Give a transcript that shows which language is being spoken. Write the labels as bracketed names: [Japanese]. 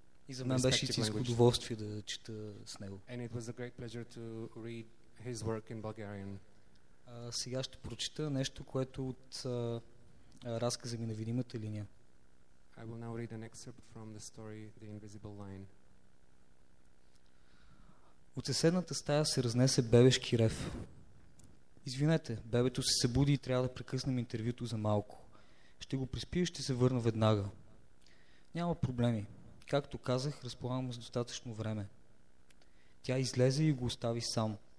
[Bulgarian] за мен беше истинско удоволствие да чета с него. [English] And it was a great pleasure to read his work in Bulgarian. [Bulgarian] Сега ще прочита нещо, което от разказа ми на невидимата линия. [English] I will now read an excerpt from the story The Invisible Line. [Bulgarian] От съседната стая се разнесе бебешки рев. Извинете, бебето се събуди и трябва да прекъснем интервюто за малко. Ще го приспи и ще се върна веднага. Няма проблеми. Както казах, разполагам с достатъчно време. Тя излезе и го остави сам.